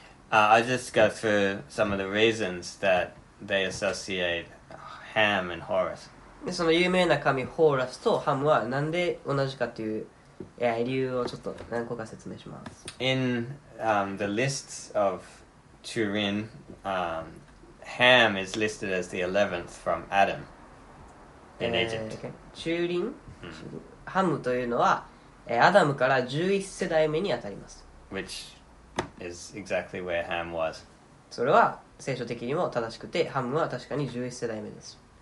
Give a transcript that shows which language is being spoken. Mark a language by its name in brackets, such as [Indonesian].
[English] I'll just go through some of the reasons that they associate Ham and Horus. [Japanese] で、その有名な神ホーラスとハムはなんで同じかという、理由をちょっと何個か説明します。 [English] In the lists of Turin, Ham is listed as the 11th from Adam. In Egypt. [Japanese] 中輪、ハムというのは、アダムから11世代目にあたります。 [English] Which is exactly where Ham was. [Japanese] それは聖書的にも正しくて、ハムは確かに11世代目です。